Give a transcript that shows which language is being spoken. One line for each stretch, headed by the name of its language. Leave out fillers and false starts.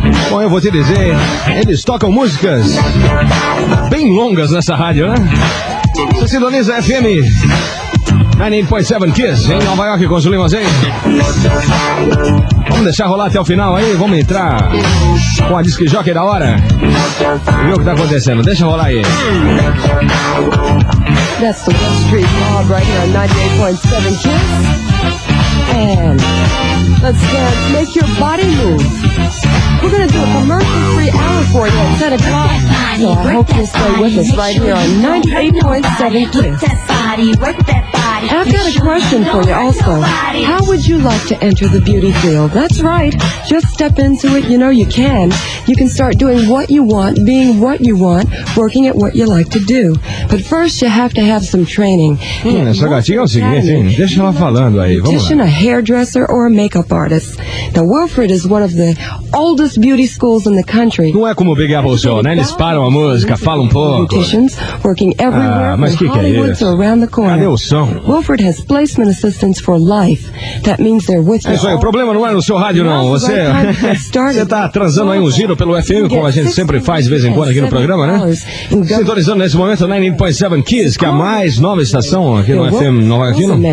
Portuguese: Bom, eu vou te dizer, eles tocam músicas bem longas nessa rádio, né? Você sintoniza FM 98.7 Kiss em Nova York com o Julinho Azei. Vamos deixar rolar até o final aí, vamos entrar com a Disque Jockey da hora. Vê o que tá acontecendo, deixa rolar aí.
English: That's the West Street Mob right here on 98.7 Kiss. And let's get make your body move. We're gonna do a commercial free hour for you at 10 o'clock. So I hope you stay with us right here on 98.7 Kiss. I've got a question for you also. How would you like to enter the beauty field? That's right. Just step into it. You know you can. You can start doing what you want, being what you want, working at what you like to do. But first, you have to have some training.
Portuguese: Essa gatinha é o seguinte, hein? Deixa ela falando aí, vamos lá.
English: A hairdresser or a makeup artist. Now, Wilfred is one of the oldest beauty schools in the country.
Portuguese: Não é como o Big Apple Show, né? Eles param a música, falam um pouco.
English: Working everywhere from Hollywood to around the corner.
Portuguese: Cadê o som?
English: Wilfred has placement assistance for life. That means they're with you.
Portuguese: É isso aí, o problema não é no seu rádio, não. Você está atrasando aí um giro pelo FM, como a gente sempre faz de vez em quando aqui no programa, né? Sintonizando nesse momento 98.7 Kiss, que é a mais nova estação aqui no FM Nova aqui.